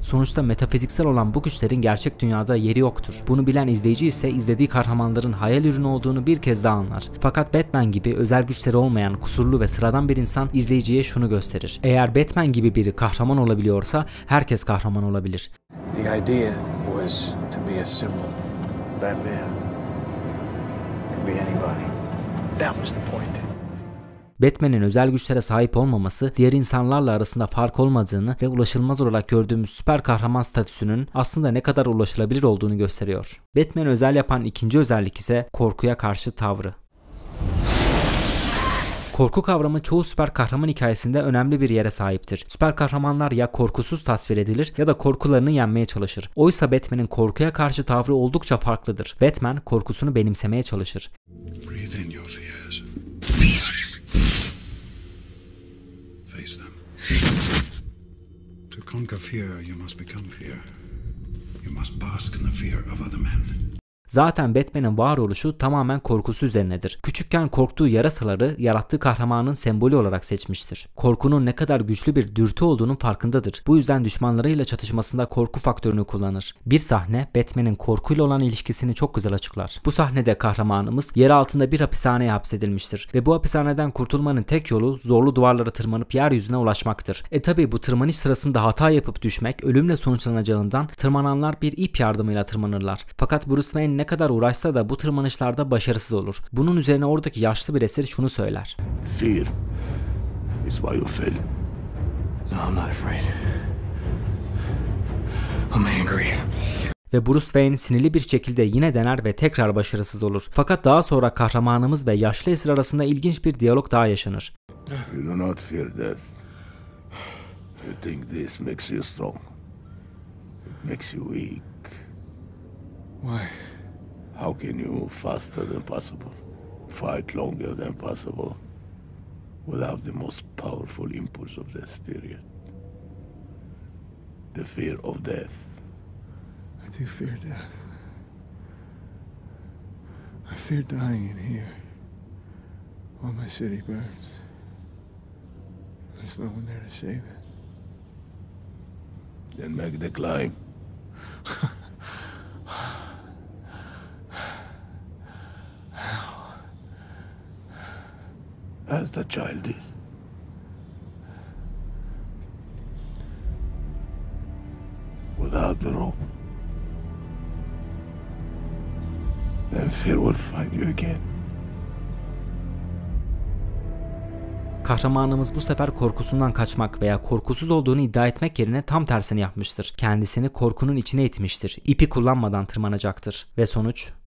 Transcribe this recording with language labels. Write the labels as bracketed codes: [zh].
[tr] Sonuçta metafiziksel olan bu güçlerin gerçek dünyada yeri yoktur. Bunu bilen izleyici ise izlediği kahramanların hayal ürünü olduğunu bir kez daha anlar. Fakat Batman gibi özel güçleri olmayan kusurlu ve sıradan bir insan izleyiciye şunu gösterir. Eğer Batman gibi biri kahraman olabiliyorsa herkes kahraman olabilir. [en] The idea was to be a symbol. Batman could be anybody. That was the point. [tr] Batman'in özel güçlere sahip olmaması, diğer insanlarla arasında fark olmadığını ve ulaşılmaz olarak gördüğümüz süper kahraman statüsünün aslında ne kadar ulaşılabilir olduğunu gösteriyor. Batman'i özel yapan ikinci özellik ise korkuya karşı tavrı. Korku kavramı çoğu süper kahraman hikayesinde önemli bir yere sahiptir. Süper kahramanlar ya korkusuz tasvir edilir ya da korkularını yenmeye çalışır. Oysa Batman'in korkuya karşı tavrı oldukça farklıdır. Batman korkusunu benimsemeye çalışır. [en] Breathe in your fears. Face them. To conquer fear, you must become fear. You must bask in the fear of other men. [tr] Zaten Batman'in varoluşu tamamen korkusu üzerinedir. Küçükken korktuğu yarasaları yarattığı kahramanın sembolü olarak seçmiştir. Korkunun ne kadar güçlü bir dürtü olduğunun farkındadır. Bu yüzden düşmanlarıyla çatışmasında korku faktörünü kullanır. Bir sahne Batman'in korkuyla olan ilişkisini çok güzel açıklar. Bu sahnede kahramanımız yer altında bir hapishaneye hapsedilmiştir ve bu hapishaneden kurtulmanın tek yolu zorlu duvarlara tırmanıp yeryüzüne ulaşmaktır. Tabii bu tırmanış sırasında hata yapıp düşmek ölümle sonuçlanacağından tırmananlar bir ip yardımıyla tırmanırlar. Fakat Bruce Wayne ne kadar uğraşsa da bu tırmanışlarda başarısız olur. Bunun üzerine oradaki yaşlı bir esir şunu söyler. [en] Fear is why you fell. No, I'm not afraid. I'm angry. [tr] Ve Bruce Wayne sinirli bir şekilde yine dener ve tekrar başarısız olur. Fakat daha sonra kahramanımız ve yaşlı esir arasında ilginç bir diyalog daha yaşanır. [en] You do not fear death. You think this makes you strong. It makes you weak. Why? How can you move faster than possible, fight longer than possible, without the most powerful impulse of this period? The fear of death. I do fear death. I fear dying in here, while my city burns. There's no one there to save it. Then make the climb. As the child is. Without the rope. Then fear will find you again. [tr] Kahramanımız bu sefer korkusundan kaçmak veya korkusuz olduğunu iddia etmek yerine tam tersini yapmıştır. Kendisini korkunun içine itmiştir. İpi kullanmadan tırmanacaktır. Ve sonuç...